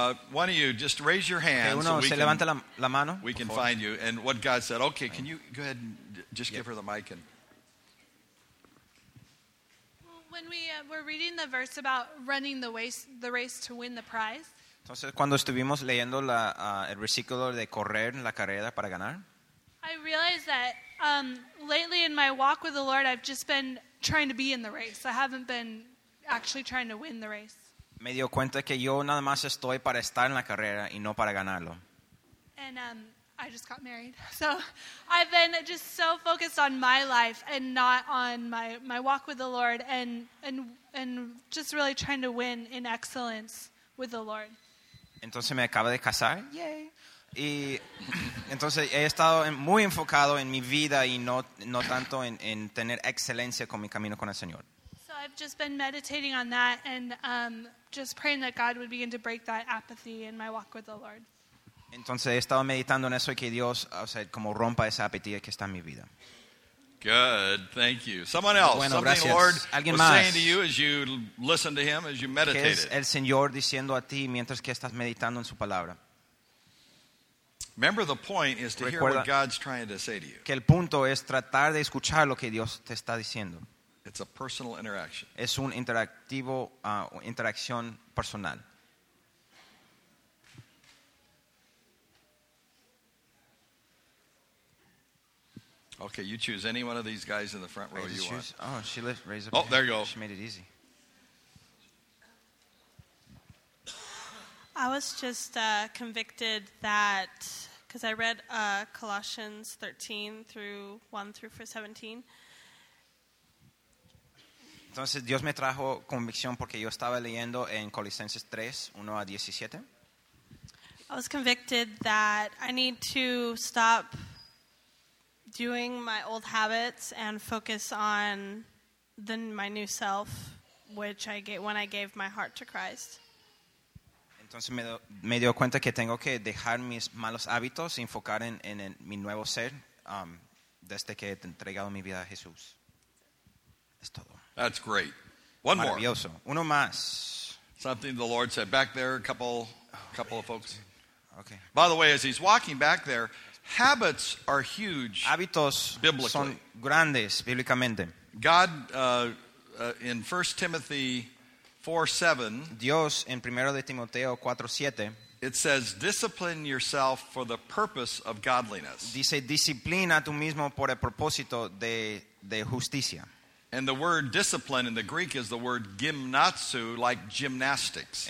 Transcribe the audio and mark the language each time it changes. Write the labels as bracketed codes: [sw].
[en] One of you, just raise your hand. [es] Que uno [en] so [es] se levante la mano. [en] We can find you. And what God said, okay, can you go ahead and just give her the mic and. When we were reading the verse about running the race to win the prize. [es] Entonces cuando estuvimos leyendo el versículo de correr la carrera para ganar. [en] I realize that lately in my walk with the Lord, I've just been trying to be in the race. I haven't been actually trying to win the race. [es] Me dio cuenta que yo nada más estoy para estar en la carrera y no para ganarlo. [en] And I just got married. So I've been just so focused on my life and not on my walk with the Lord and just really trying to win in excellence with the Lord. [es] Entonces me acabo de casar. [en] Yay. [es] Y entonces he estado muy enfocado en mi vida y no tanto en tener excelencia con mi camino con el Señor. [en] So I've just been meditating on that and just praying that God would begin to break that apathy in my walk with the Lord. [es] Entonces he estado meditando en eso y que Dios, o sea, como rompa esa apatía que está en mi vida. [en] Good, thank you. Someone else, [es] bueno, [en] something [es] gracias. [en] Lord [es] ¿Alguien [en] was [es] más? [en] Saying to you as you listen to him, as you meditate. [es] ¿Qué es el Señor diciendo a ti mientras que estás meditando en su palabra? [en] Remember, the point is to [es] Recuerda [en] hear what God's trying to say to you. [es] Que el punto es tratar de escuchar lo que Dios te está diciendo. [en] It's a personal interaction. [es] Es un interactivo interacción personal. [en] Okay, you choose any one of these guys in the front row you choose, want. Oh, she lifted, raised up. Oh, there you go. She made it easy. I was just convicted that. Because I read Colossians 13 through 1 through 17. [es] Entonces Dios me trajo convicción porque yo estaba leyendo en Colosenses 3, 1 a 17. [en] I was convicted that I need to stop doing my old habits and focus on my new self, which I get when I gave my heart to Christ. [es] Entonces me dio cuenta que tengo que dejar mis malos hábitos y enfocar en mi nuevo ser desde que he entregado mi vida a Jesús. Es todo. [en] That's great. One more. [es] Maravilloso. Uno más. [en] Something the Lord said back there, a couple of folks. Okay. By the way, as he's walking back there, habits are huge. [es] Hábitos [en] biblically. [es] Son grandes bíblicamente. [en] God in 1 Timothy 4:7. [es] Dios en Primero de Timoteo 4:7. [en] It says, "Discipline yourself for the purpose of godliness." [es] Dice, disciplina tú mismo por el propósito de justicia. [en] And the word discipline in the Greek is the word gymnazu, like gymnastics.